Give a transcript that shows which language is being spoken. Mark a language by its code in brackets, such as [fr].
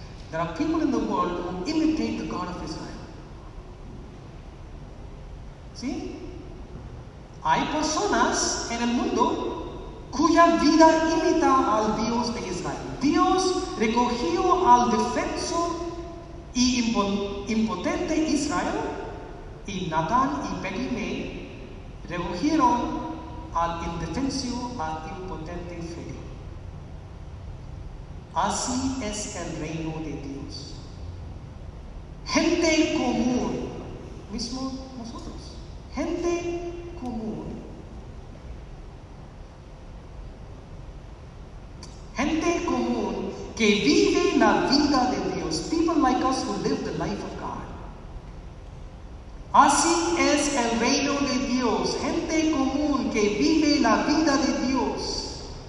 [en] There are people in the world who imitate the God of Israel. [es] ¿Sí? Hay personas en el mundo cuya vida imita al Dios de Israel. Dios recogió al defenso y impotente Israel, y Natán y Peninné recogieron al indefenso, al impotente Israel. Así es el reino de Dios. Gente común, mismo nosotros, gente común. Gente común que vive la vida de Dios. [en] People like us who live the life of God. [es] Así es el reino de Dios. Gente común que vive la vida de Dios.